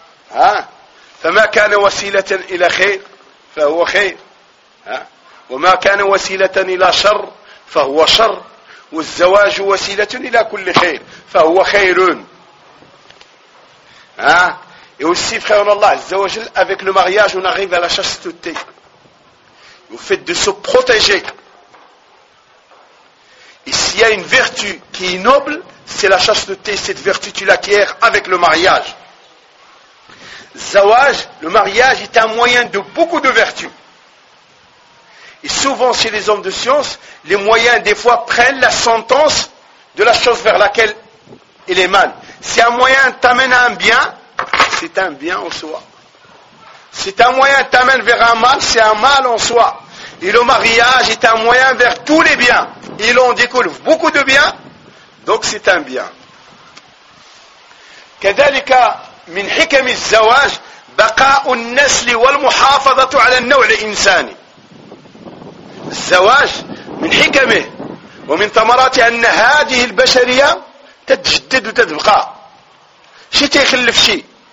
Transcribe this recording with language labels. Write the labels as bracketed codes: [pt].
[ar] ها؟ فما كان وسيلة إلى خير فهو خير، ها؟ وما كان وسيلة إلى شر فهو شر، والزواج وسيلة إلى كل خير فهو خير، ها؟ [fr] Et aussi, frère en Allah, avec le mariage, on arrive à la chasteté. Au fait de se protéger. Et s'il y a une vertu qui est noble, c'est la chasteté. Cette vertu, tu l'acquiers avec le mariage. Zawaj, le mariage, est un moyen de beaucoup de vertus. Et souvent, chez les hommes de science, les moyens, des fois, prennent la sentence de la chose vers laquelle il émane. Si un moyen t'amène à un bien, c'est un bien en soi. C'est un moyen qui t'amène vers un mal, c'est un mal en soi. Et le mariage est un moyen vers tous les biens. Il en découle beaucoup de biens, donc c'est un bien. [ar] كذلك من حكم الزواج بقاء النسل والمحافظة على النوع الإنساني. الزواج من حكمه ومن ثمراته أن هذه البشرية تتجدد وتبقى. شي تيخلف شي.